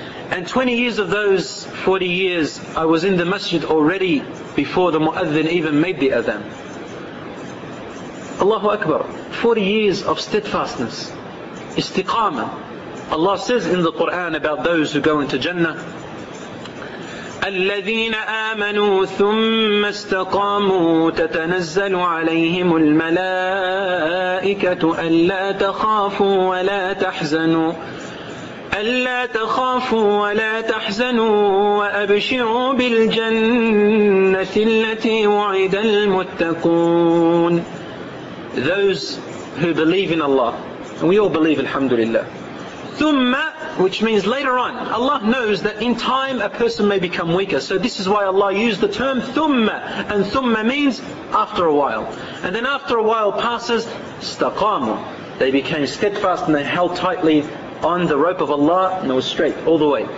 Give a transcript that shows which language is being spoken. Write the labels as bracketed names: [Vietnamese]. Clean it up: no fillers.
[English] And 20 years of those 40 years, I was in the masjid already before the mu'adhin even made the adhan. Allahu Akbar, 40 years of steadfastness, istiqama. Allah says in the Quran about those who go into Jannah, [Arabic] الذين آمنوا ثم استقاموا تتنزل عليهم الملائكة ألا تخافوا ولا تحزنوا ألا تخافوا ولا تحزنوا وأبشروا بالجنة التي وعد المتقون. [English] Those who believe in Allah, and we all believe, alhamdulillah. ثم, which means later on. Allah knows that in time a person may become weaker. So this is why Allah used the term ثم. And ثم means after a while. And then after a while passes, استقاموا. They became steadfast and they held tightly on the rope of Allah and they were straight all the way.